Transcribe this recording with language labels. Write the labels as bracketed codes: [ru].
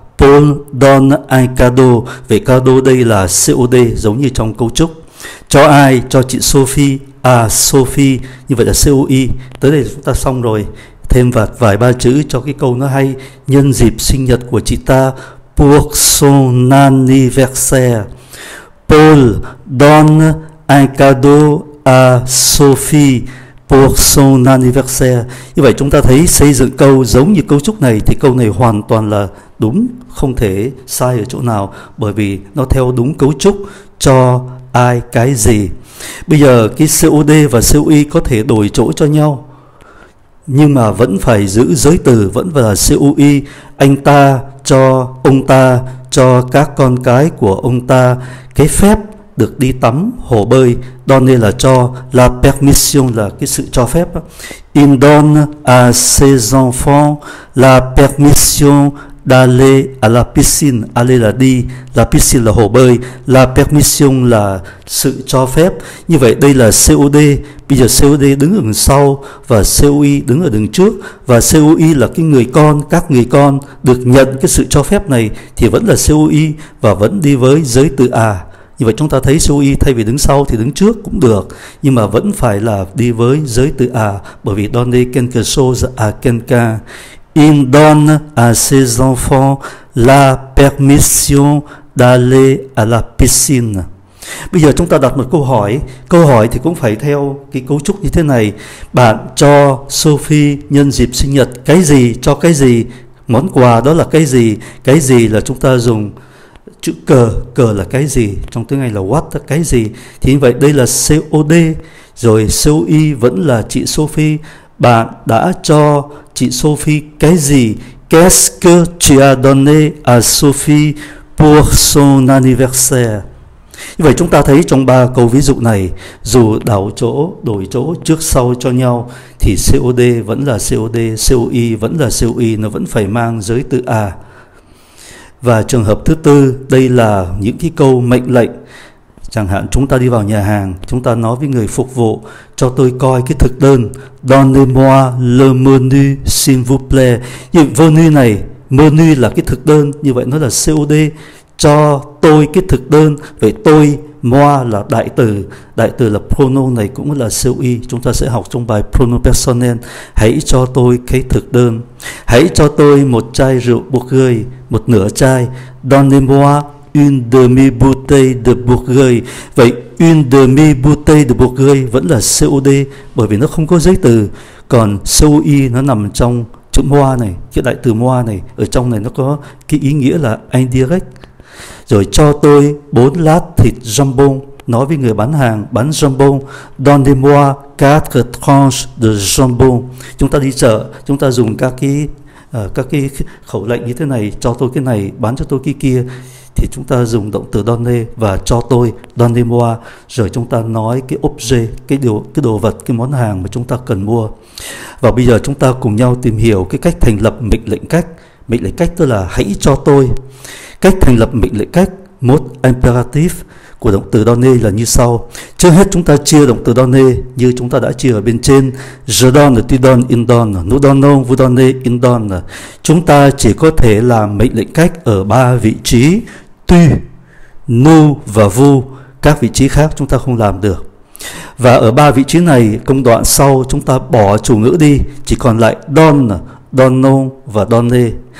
[fr] Paul don un cadeau. [vi] Về cadeau đây là COD giống như trong cấu trúc. Cho ai? Cho chị Sophie. À, Sophie. Như vậy là COI. Tới đây chúng ta xong rồi. Thêm vài ba chữ cho cái câu nó hay: nhân dịp sinh nhật của chị ta. [fr] Pour son anniversaire, Paul donne un cadeau à Sophie. pour son anniversaire. [vi] Như vậy chúng ta thấy xây dựng câu giống như cấu trúc này thì câu này hoàn toàn là đúng, không thể sai ở chỗ nào, bởi vì nó theo đúng cấu trúc cho ai cái gì. Bây giờ cái COD và COI có thể đổi chỗ cho nhau, nhưng mà vẫn phải giữ giới từ, vẫn là COI. Anh ta cho ông ta, cho các con cái của ông ta cái phép được đi tắm hồ bơi. Donner là cho, la permission là cái sự cho phép. [fr] Il donne à ses enfants la permission d'aller à la piscine. [vi] Aller là đi, la piscine là hồ bơi, la permission là sự cho phép. Như vậy đây là COD. Bây giờ COD đứng ở đằng sau và COI đứng ở đằng trước, và COI là cái người con, các người con được nhận cái sự cho phép này thì vẫn là COI và vẫn đi với giới từ à. Như vậy chúng ta thấy COI thay vì đứng sau thì đứng trước cũng được, nhưng mà vẫn phải là đi với giới từ à, bởi vì [fr] donner quelque chose à quelqu'un. Il donne à ses enfants la permission d'aller à la piscine. [vi] Bây giờ chúng ta đặt một câu hỏi. Câu hỏi thì cũng phải theo cái cấu trúc như thế này. Bạn cho Sophie nhân dịp sinh nhật cái gì? Cho cái gì? Món quà đó là cái gì? Cái gì là chúng ta dùng chữ cờ. Cờ là cái gì? Trong tiếng Anh là what, cái gì? Thì như vậy đây là COD. Rồi COI vẫn là chị Sophie. Bạn đã cho chị Sophie cái gì? [fr] Qu'est-ce que tu as donné à Sophie pour son anniversaire? [vi] Như vậy chúng ta thấy trong ba câu ví dụ này, dù đảo chỗ, đổi chỗ trước sau cho nhau, thì COD vẫn là COD, COI vẫn là COI, nó vẫn phải mang giới từ à. Và trường hợp thứ tư, đây là những cái câu mệnh lệnh. Chẳng hạn chúng ta đi vào nhà hàng, chúng ta nói với người phục vụ, cho tôi coi cái thực đơn. [fr] Donnez-moi le menu, s'il vous plaît. [vi] Như menu này, menu là cái thực đơn, như vậy nó là COD. Cho tôi cái thực đơn. Vậy tôi, moi là đại từ, đại từ là pronoun, này cũng là COI. Chúng ta sẽ học trong bài pronoun personnel. Hãy cho tôi cái thực đơn. Hãy cho tôi một chai rượu Bourgogne, một nửa chai. [fr] Donnez-moi une demi-bouteille de Bourgogne. [vi] Vậy une demi-bouteille de Bourgogne vẫn là COD, bởi vì nó không có giới từ. Còn COI nó nằm trong chữ moi này, cái đại từ moi này, ở trong này nó có cái ý nghĩa là indirect. Rồi cho tôi 4 lát thịt jambon, nói với người bán hàng bán jambon. [fr] Donnez-moi 4 tranches de jambon. [vi] Chúng ta đi chợ, chúng ta dùng các cái khẩu lệnh như thế này, cho tôi cái này, bán cho tôi cái kia, thì chúng ta dùng động từ donner và cho tôi, donnez-moi. Rồi chúng ta nói cái objet, cái đồ vật, cái món hàng mà chúng ta cần mua. Và bây giờ chúng ta cùng nhau tìm hiểu cái cách thành lập mệnh lệnh cách. Mệnh lệnh cách tức là hãy cho tôi. Cách thành lập mệnh lệnh cách, mot imperatif của động từ donner là như sau. Trước hết chúng ta chia động từ donner như chúng ta đã chia ở bên trên. [fr] Je donne, tu donnes, il donne, nous donnons, vous donnez, il donne. [vi] Chúng ta chỉ có thể làm mệnh lệnh cách ở ba vị trí: tu, nous và vous. Các vị trí khác chúng ta không làm được. Và ở ba vị trí này, công đoạn sau chúng ta bỏ chủ ngữ đi, chỉ còn lại donne, donnons và donner.